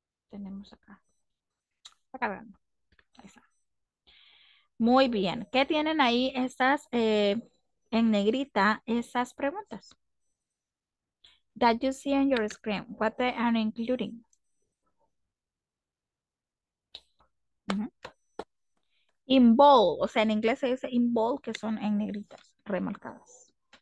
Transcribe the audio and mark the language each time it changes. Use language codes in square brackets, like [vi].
[es] Tenemos acá. Está cargando. Ahí está. Muy bien. ¿Qué tienen ahí estas en negrita esas preguntas? [en] That you see on your screen, what they are including. [es] Involve, o sea, en inglés se dice involve, que son en negritas, remarcadas.